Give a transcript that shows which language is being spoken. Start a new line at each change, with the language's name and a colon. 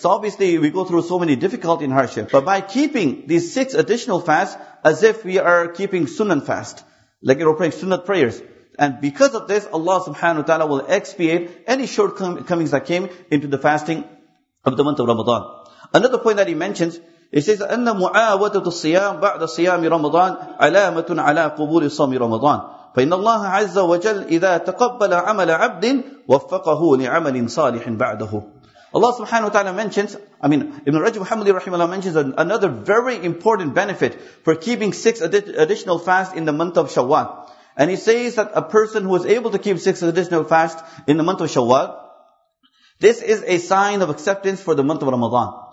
English: So obviously we go through so many difficulty and hardship. But by keeping these six additional fasts as if we are keeping sunnah fast, like we're praying sunnah prayers. And because of this, Allah subhanahu wa ta'ala will expiate any shortcomings that came into the fasting of the month of Ramadan. Another point that he mentions, He says
Arabic: أن معاودة الصيام بعد صيام رمضان علامة على قبول صوم رمضان. فإن الله عز وجل إذا تقبل عمل عبد وفقه لعمل صالح بعده.
English: Allah subhanahu wa ta'ala mentions, I mean, Ibn Rajab Hanbali rahimahullah mentions another very important benefit for keeping six additional fasts in the month of Shawwal. And he says that a person who is able to keep six additional fasts in the month of Shawwal, this is a sign of acceptance for the month of Ramadan.